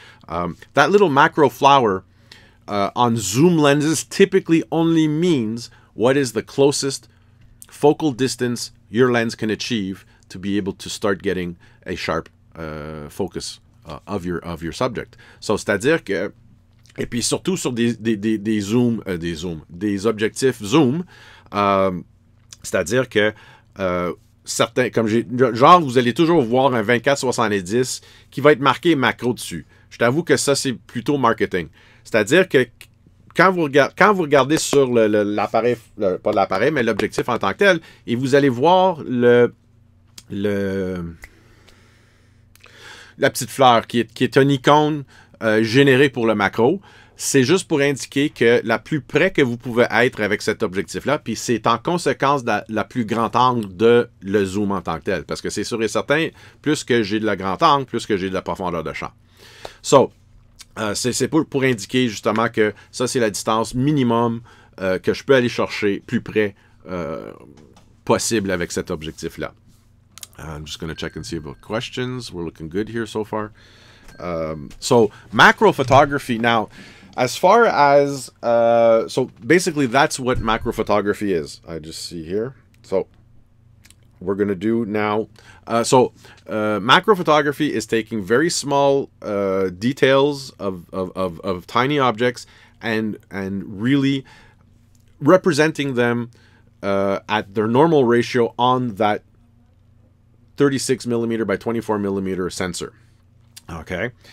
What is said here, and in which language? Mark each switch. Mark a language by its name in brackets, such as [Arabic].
[English] That little macro flower on zoom lenses typically only means what is the closest focal distance your lens can achieve to be able to start getting a sharp focus of your subject. [French] So c'est-à-dire que, et puis surtout sur des objectifs zoom, c'est-à-dire que certains, comme genre, vous allez toujours voir un 24-70 qui va être marqué macro dessus. Je t'avoue que ça, c'est plutôt marketing. C'est-à-dire que quand vous regardez sur l'objectif en tant que tel, et vous allez voir la petite fleur qui est une icône générée pour le macro, c'est juste pour indiquer que la plus près que vous pouvez être avec cet objectif-là, puis c'est en conséquence la plus grand angle de le zoom en tant que tel. Parce que c'est sûr et certain, plus que j'ai de la grand angle, plus que j'ai de la profondeur de champ. So, c'est pour indiquer justement que ça, c'est la distance minimum que je peux aller chercher plus près possible avec cet objectif-là. [English] I'm just going to check and see about questions. We're looking good here so far. So, macro photography now... As far as, so basically that's what macro photography is. I just see here. So we're going to do now. Macro photography is taking very small details of tiny objects and really representing them at their normal ratio on that 36 millimeter by 24 millimeter sensor. Okay.